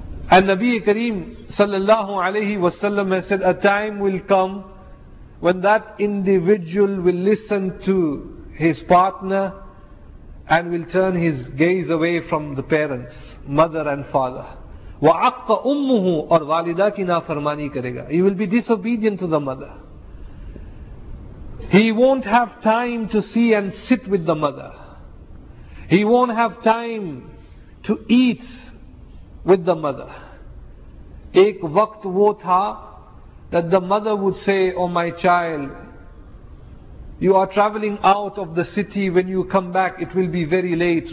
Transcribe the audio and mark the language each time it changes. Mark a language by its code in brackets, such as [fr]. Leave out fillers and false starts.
[en] And Nabi Kareem sallallahu alayhi wasallam has said, a time will come when that individual will listen to his partner and will turn his gaze away from the parents, mother and father. [ar] وَعَقَّ أُمُّهُ [ur] اور وَالِدَا کی نافرمانی کرے گا. [en] He will be disobedient to the mother. He won't have time to see and sit with the mother. He won't have time to eat with the mother. [ur] ایک وقت وہ تھا [en] that the mother would say, oh my child, you are traveling out of the city, when you come back it will be very late.